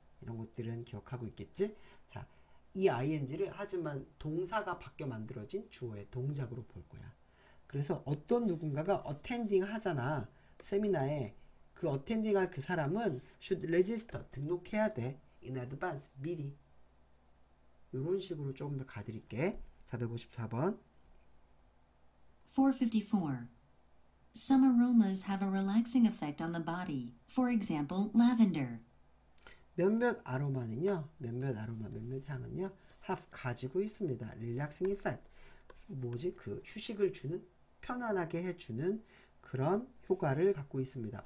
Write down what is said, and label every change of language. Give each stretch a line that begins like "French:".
Korean: 이런 것들은 기억하고 있겠지. 자, 이 ing를 하지만 동사가 바뀌어 만들어진 주어의 동작으로 볼 거야. 그래서 어떤 누군가가 attending 하잖아 세미나에. 그 attending 할 그 사람은
English: should register
Korean: 등록해야 돼.
English: In advance
Korean: 미리. 이런 식으로 조금 더 가드릴게. 454번. 454.
English: Some aromas have a relaxing effect on the body. For example, lavender.
Korean: 몇몇 아로마는요. 몇몇 아로마, 몇몇 향은요. have 가지고 있습니다.
English: relaxing effect.
Korean: 뭐지? 그 휴식을 주는, 편안하게 해 주는 그런 효과를 갖고 있습니다.